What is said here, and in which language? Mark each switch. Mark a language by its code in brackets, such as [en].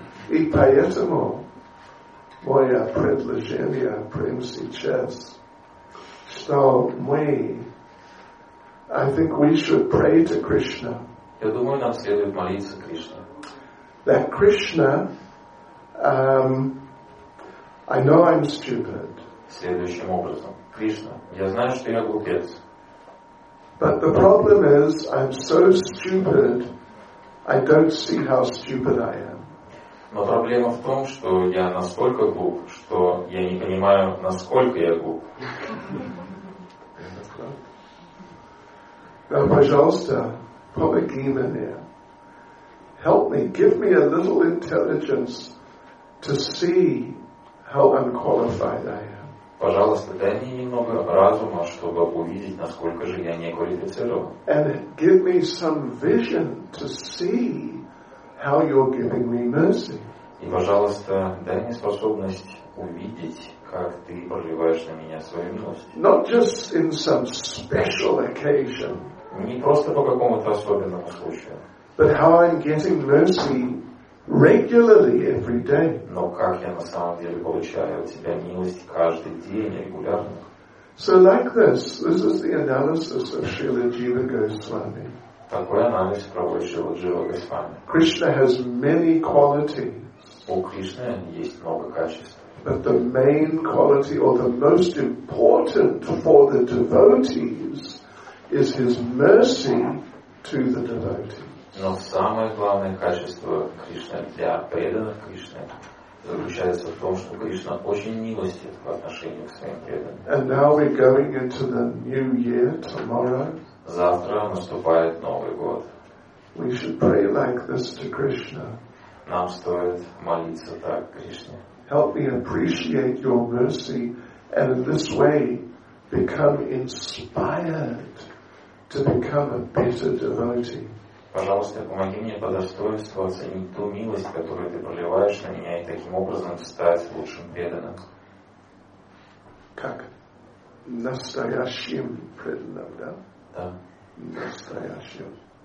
[ru] И поэтому... Моё предложение, прямо сейчас, что мы, [en] I think we should pray to Krishna. [ru] Я думаю, нам следует молиться Кришне. [en] That Krishna, I know I'm stupid. [ru] Следующим образом, Кришна, я знаю, что я глупец. [en] But the problem is, I'm so stupid, I don't see how stupid I am. [ru] Но проблема в том, что я настолько глуп, что я не понимаю, насколько я глуп. Now, пожалуйста, помоги мне. [en] Help me, give me a little intelligence to see how unqualified I am. [ru] Пожалуйста, дай мне немного разума, чтобы увидеть, насколько же я не квалифицирован. [en] And give me some vision to see how you're giving me mercy. [ru] И, пожалуйста, дай мне способность увидеть, как ты проливаешь на меня свою милость. [en] Not just in some special occasion. [ru] Не просто по какому-то особенному случаю. [en] But how I'm getting mercy regularly every day. [ru] Но как я на самом деле получаю от тебя милость каждый день регулярно? [en] So like this is the analysis of Srila Jiva Goswami. [ru] Такой анализ проводит Шрила Джива Госвами. [en] Krishna has many qualities. [ru] У Кришны есть много качеств. [en] But the main quality or the most important for the devotees is his mercy to the devotees. [ru] Но самое главное качество Кришны для преданных Кришны заключается в том, что Кришна очень милостив по отношению к своим преданным. [en] And now we're going into the new year tomorrow. [ru] Завтра наступает Новый год. [en] We should pray like this to Krishna. [ru] Нам стоит молиться так Кришне. [en] Help me appreciate your mercy and in this way become inspired to become a better devotee. [ru] Пожалуйста, помоги мне по достоинству оценить ту милость, которую ты проливаешь на меня, и таким образом стать лучшим преданным. Как? Настоящим преданным, да? Да. Настоящим.